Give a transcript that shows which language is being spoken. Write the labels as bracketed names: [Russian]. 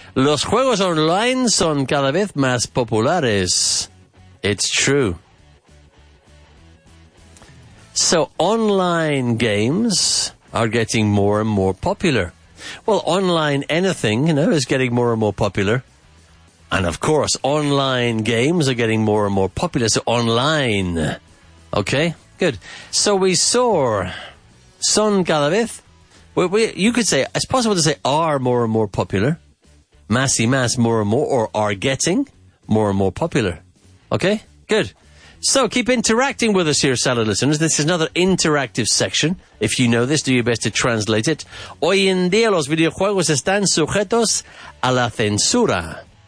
[Spanish] Los juegos online son cada vez más populares. [English] It's true. So, online games are getting more and more popular. Well, online anything, you know, is getting more and more popular. And of course, online games are getting more and more popular. So online. Okay, good. So we saw [Spanish] son cada vez. [English] You could say, it's possible to say are more and more popular. [Spanish] Más y más, [English] more and more. Or are getting more and more popular. Okay, good. So keep interacting with us here, salad listeners. This is another interactive section. If you know this, do your best to translate it. [Spanish] Hoy en día los videojuegos están sujetos a la censura.